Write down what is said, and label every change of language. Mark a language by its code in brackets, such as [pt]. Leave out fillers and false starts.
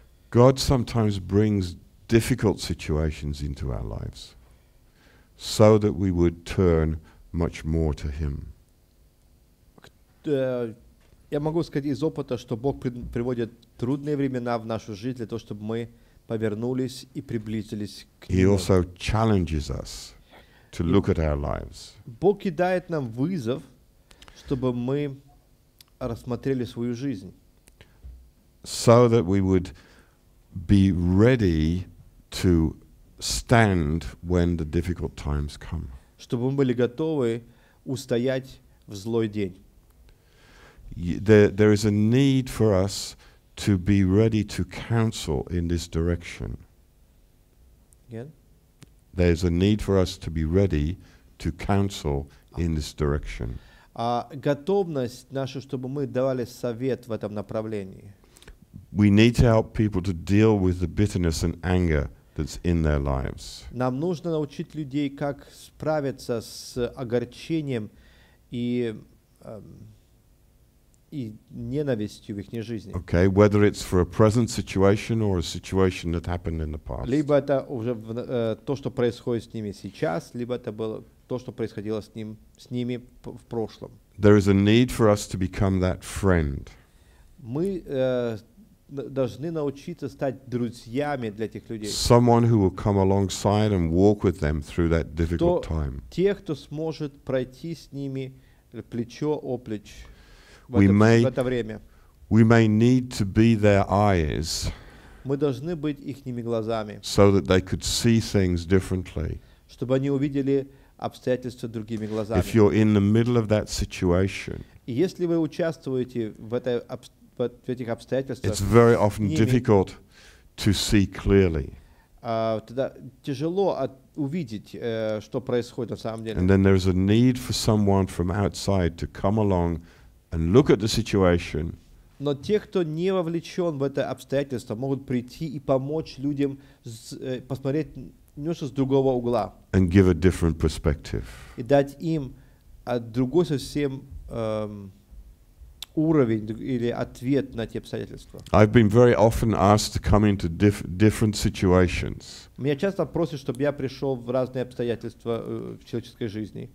[en] God sometimes brings difficult situations into our lives so that we would turn much more to Him. [ru] Я могу сказать из опыта, что Бог приводит трудные времена в нашу жизнь для того, чтобы мы повернулись и приблизились к Нему. [en] He also challenges us to look at our lives. [ru] Бог кидает нам вызов, чтобы мы рассмотрели свою жизнь. [en] So that we would be ready to stand when the difficult times come. [ru] Чтобы мы были готовы устоять в злой день. [en] There is a need for us to be ready to counsel in this direction. Again? There is a need for us to be ready to counsel in this direction. [ru] А готовность наша, чтобы мы давали совет в этом направлении. [en] We need to help people to deal with the bitterness and anger that's in their lives. [ru] Нам нужно научить людей, как справиться с огорчением и ненавистью в их жизни. [en] Okay, whether it's for a present situation or a situation that happened in the past. [ru] Либо это уже то, что происходит с ними сейчас, либо это было то, что происходило с ними в прошлом. [en] There is a need for us to become that friend. [ru] Мы должны научиться стать друзьями для тех людей. [en] Someone who will come alongside and walk with them through that difficult time. [ru] Тех, кто сможет пройти с ними плечо о плеч в это время. [en] We may need to be their eyes. [ru] Мы должны быть ихними глазами. [en] So that they could see things differently. [ru] Чтобы они увидели обстоятельства другими глазами. [en] If you're in the middle of that situation. [ru] Если вы участвуете в этой обстоятельстве. [en] It's very often difficult to see clearly. [ru] Тяжело увидеть, что происходит на самом деле. [en] And then there is a need for someone from outside to come along and look at the situation. [ru] Но те, кто не вовлечен в это обстоятельство, могут прийти и помочь людям посмотреть немножко с другого угла. [en] And give a different perspective. [ru] И дать им другой совсем уровень или ответ на те обстоятельства. [en] I've been very often asked to come into different situations. [ru] Меня часто просят, чтобы я пришел в разные обстоятельства в человеческой жизни.